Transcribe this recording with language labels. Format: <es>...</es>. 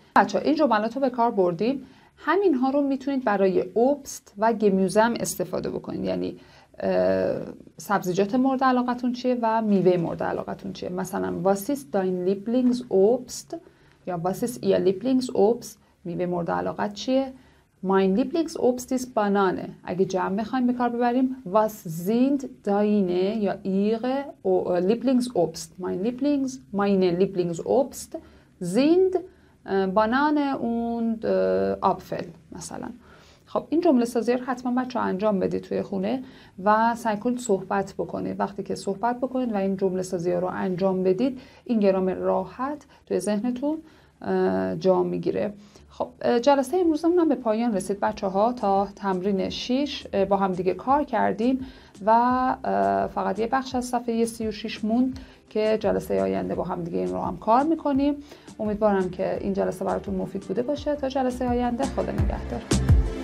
<fa>بچه‌ها این جملات رو به کار بردیم، همین ها رو میتونید برای اوبست و گمیوزه هم استفاده بکنید، یعنی سبزیجات مورد علاقتون چیه و میوه مورد علاقتون چیه.</fa> <de>مثلا was ist dein Lieblings Obst یا was ist ihr Lieblings Obst،</de> <fa>میوه مورد علاقت چیه.</fa> <de>mein Lieblings Obst ist Banane،</de> <fa>اگه جمع بخوایم به کار ببریم</fa> <de>was sind deine یا ihre Lieblings Obst، meine Lieblings Obst sind بانانه اوند آپفل مثلا.</de> <fa>خب این جمله سازی رو حتما بچه ها انجام بدید توی خونه و سعی کنید صحبت بکنید. وقتی که صحبت بکنید و این جمله سازی رو انجام بدید، این گرامر راحت توی ذهنتون جا میگیره. خب جلسه امروزمون هم به پایان رسید بچه ها. تا تمرین 6 با هم دیگه کار کردیم و فقط یه بخش از صفحه 36 موند که جلسه آینده با هم دیگه این رو هم کار میکنیم. امیدوارم که این جلسه براتون مفید بوده باشه. تا جلسه آینده، خدا نگهدار.</fa>